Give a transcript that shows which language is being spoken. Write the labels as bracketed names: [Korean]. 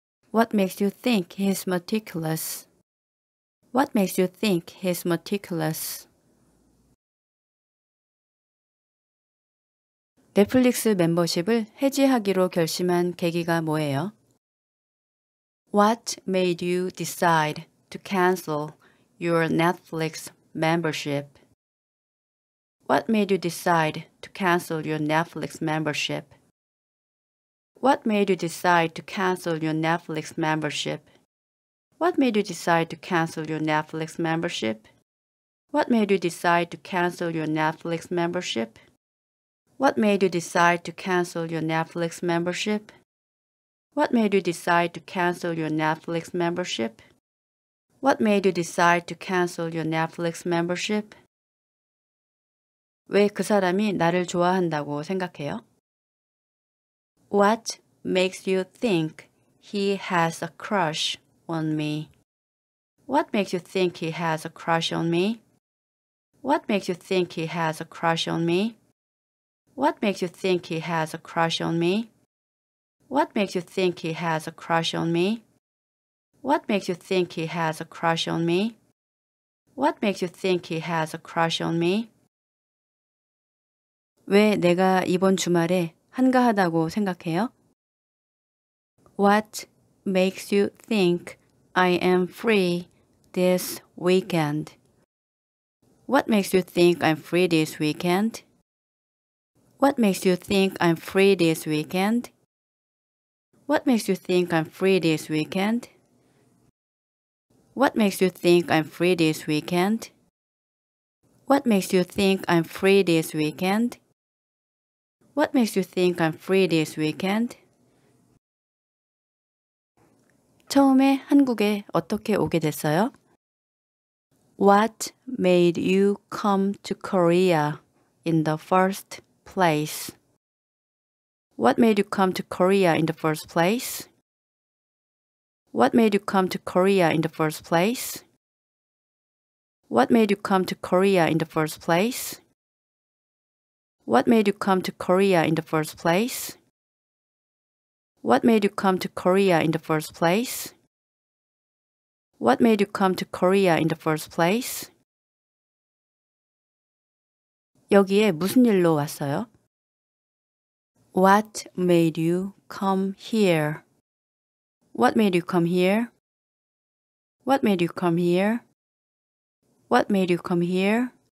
[English] What makes you think he's meticulous? What makes you think he's meticulous? [Korean] 넷플릭스 멤버십을 해지하기로 결심한 계기가 뭐예요? [English] What made you decide to cancel your Netflix membership? What made you decide to cancel your Netflix membership? What made you decide to cancel your Netflix membership? What made you decide to cancel your Netflix membership? What made you decide to cancel your Netflix membership? What made you decide to cancel your Netflix membership? What made you decide to cancel your Netflix membership? What made you decide to cancel your Netflix membership? [Korean] 왜 그 사람이 나를 좋아한다고 생각해요? [English] What makes you think he has a crush on me? What makes you think he has a crush on me? What makes you think he has a crush on me? What makes you think he has a crush on me? What makes you think he has a crush on me? What makes you think he has a crush on me? What makes you think he has a crush on me? [Korean] 왜 내가 이번 주말에 한가하다고 생각해요? [English] What makes you think I am free this weekend? What makes you think I'm free this weekend? What makes you think I'm free this weekend? What makes you think I'm free this weekend? What makes you think I'm free this weekend? What makes you think I'm free this weekend? What makes you think I'm free this weekend? [Korean] 처음에 한국에 어떻게 오게 됐어요? [English] What made you come to Korea in the first place? What made you come to Korea in the first place? What made you come to Korea in the first place? What made you come to Korea in the first place? What made you come to Korea in the first place? What made you come to Korea in the first place? What made you come to Korea in the first place? [Korean] 여기에 무슨 일로 왔어요? [English] What made you come here? What made you come here? What made you come here? What made you come here?